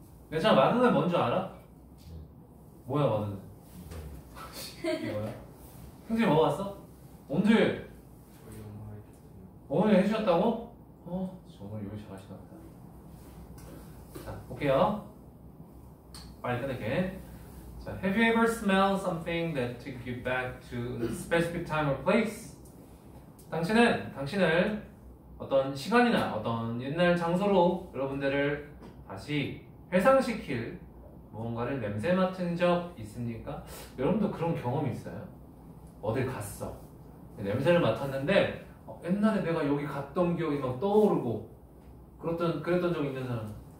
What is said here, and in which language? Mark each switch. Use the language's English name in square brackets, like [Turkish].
[Korean] 내가 마들렌 뭔지 알아? 뭐야 마들렌? 이거야? 형제 먹어봤어? 언제? 저희 엄마가 해주셨어요. 어머니 해주셨다고? 어? 정말 요리 잘하시나 보다. 자, 볼게요. 빨리 끊을게. [English] 자, Have you ever smelled something that took you back to a specific time or place? [Korean] 당신은 당신을 어떤 시간이나 어떤 옛날 장소로 여러분들을 다시 회상시킬 무언가를 냄새 맡은 적 있습니까? 여러분도 그런 경험이 있어요? 어딜 갔어? 냄새를 맡았는데 옛날에 내가 여기 갔던 기억이 막 떠오르고 그랬던 적 있는 사람?